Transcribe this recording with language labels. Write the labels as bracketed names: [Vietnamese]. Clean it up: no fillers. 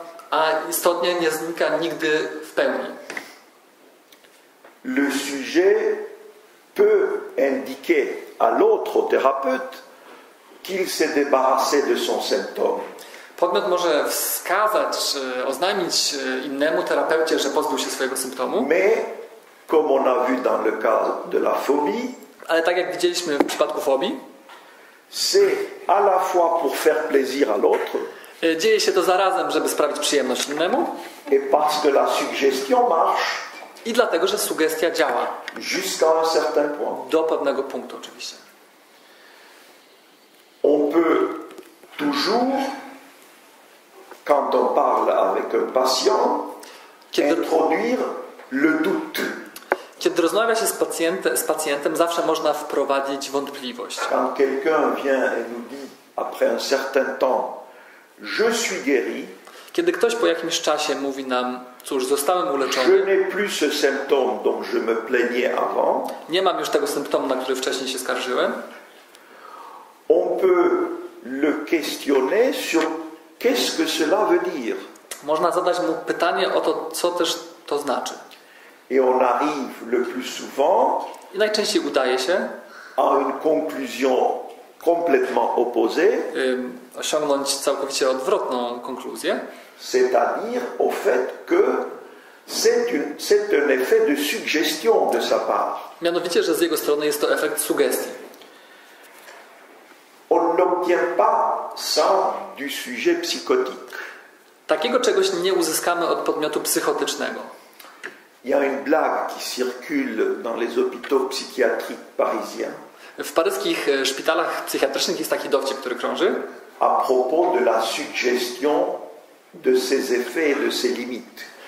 [Polish] A istotnie nie znika nigdy w pełni. [French] Le sujet peut indiquer à l'autre thérapeute qu'il s'est débarrassé de son symptôme. [Polish] Podmiot może wskazać, oznajmić innemu terapeucie, że pozbył się swojego symptomu. [French] Mais, comme on a vu dans le cas de la phobie, [Polish] ale tak jak widzieliśmy w przypadku fobii, [French] c'est à la fois pour faire plaisir à l'autre, [Polish] dzieje się to zarazem, żeby sprawić przyjemność innemu, [French] et parce que la suggestion marche. [Polish] I dlatego, że sugestia działa. [French] Jusqu'à un certain point. [Polish] Do pewnego punktu, oczywiście. [French] On peut toujours, quand on parle avec un patient, introduire le doute. [Polish] Kiedy rozmawia się z pacjentem, zawsze można wprowadzić wątpliwość. [French] Quand quelqu'un vient et nous dit, après un certain temps, je suis guéri. [Polish] Kiedy ktoś po jakimś czasie mówi nam, cóż, zostałem uleczony. [French] Je n'ai plus ce symptôme dont je me plaignais avant. [Polish] Nie mam już tego symptomu, na który wcześniej się skarżyłem. [French] On peut le questionner sur qu'est-ce que cela veut dire. [Polish] Można zadać mu pytanie o to, co też to znaczy. [French] Et on arrive le plus souvent. [Polish] I najczęściej udaje się. [French] À une conclusion complètement opposée. [Polish] Osiągnąć całkowicie odwrotną konkluzję. [French] C'est-à-dire au fait que c'est un effet de suggestion de sa part. [Polish] Mianowicie, że z jego strony jest to efekt sugestii. [French] On n'obtient pas ça du sujet psychotique. [Polish] Takiego czegoś nie uzyskamy od podmiotu psychotycznego. [French] Il y a une blague qui circule dans les hôpitaux psychiatriques parisiens. [Polish] W paryskich szpitalach psychiatrycznych jest taki dowcip, który krąży. [French] À propos de la suggestion de ses effets et de ses limites.